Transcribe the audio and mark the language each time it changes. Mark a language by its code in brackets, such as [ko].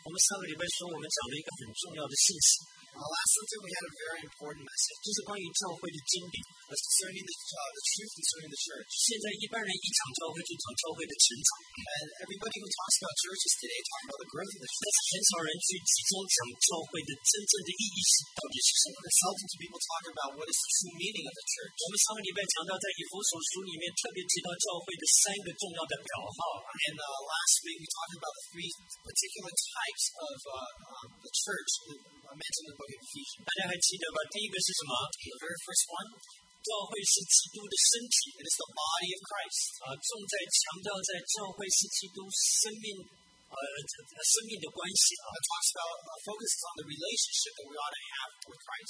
[zh] 感谢主哈。我们上个礼拜说，我们讲了一个很重要的信息。 [en] Last Sunday, we had a very important message. [zh] 就是关于教会的经历, [en] concerning the truth concerning the church. [zh] 现在一般人一讲教会就讲教会的成长, [en] and everybody who talks about churches today talks about the growth of the church. [zh] 很少人去集中讲教会的真正的意义是到底是什么。 [en] But seldom do people talk about what is the true meaning of the church. [zh] 我们上个礼拜强调在以弗所书里面特别提到教会的三个重要的表号。 [en] And last week, we talked about the three particular types of the church. The very first one, [zh] 教会是基督的身体, [en] it is the body of Christ. [zh] 重在强调在教会是基督生命, [en] talks about, focuses on the relationship that we ought to have with Christ.